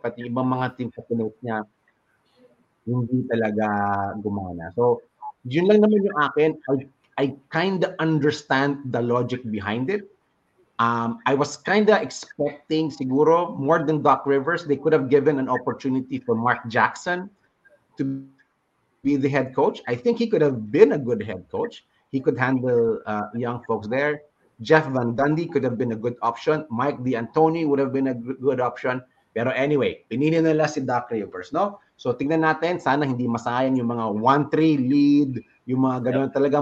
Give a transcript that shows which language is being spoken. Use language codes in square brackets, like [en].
[tl] Pati ibang mga team kapunot niya, hindi talaga gumana. So, yun lang naman yung akin. [en] I kind of understand the logic behind it. I was kind of expecting, siguro, more than Doc Rivers, they could have given an opportunity for Mark Jackson to be the head coach. I think he could have been a good head coach. He could handle young folks there. Jeff Van Gundy could have been a good option. Mike D'Antoni would have been a good option. [tl] Pero anyway, pinili nila si Doc Rivers, no? So tingnan natin, sana hindi masayang yung mga 1-3 lead, yung mga ganoon talaga.